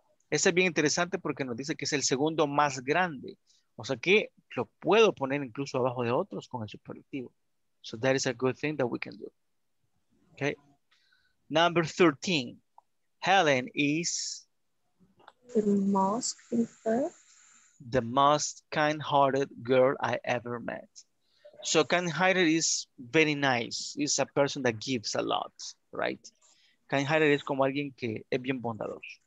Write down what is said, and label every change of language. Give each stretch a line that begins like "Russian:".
Spanish: Este es bien interesante porque nos dice que es el segundo más grande. O sea que lo puedo poner incluso abajo de otros con el superlativo.
English: So that is a good thing that we can do. Okay. Number 13. Helen is the most the most kind-hearted girl I ever met. So kind-hearted is very nice. It's a person that gives a lot, right? Kind-hearted is
Spanish: como alguien que es bien bondadoso.